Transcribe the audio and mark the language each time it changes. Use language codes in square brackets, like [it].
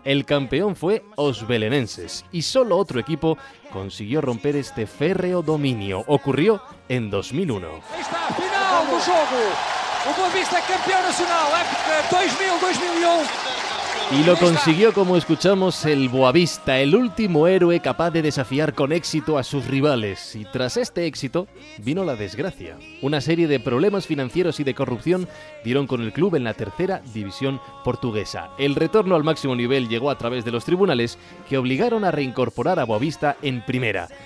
[es] El campeón fue Os Belenenses y solo otro equipo consiguió romper este férreo dominio. Ocurrió en 2001. [pt] Final do jogo. O Boavista é campeão nacional, época 2000-2001. [es] Y lo consiguió, como escuchamos, el Boavista, el último héroe capaz de desafiar con éxito a sus rivales. Y tras este éxito, vino la desgracia. Una serie de problemas financieros y de corrupción dieron con el club en la tercera división portuguesa. El retorno al máximo nivel llegó a través de los tribunales, que obligaron a reincorporar a Boavista en primera.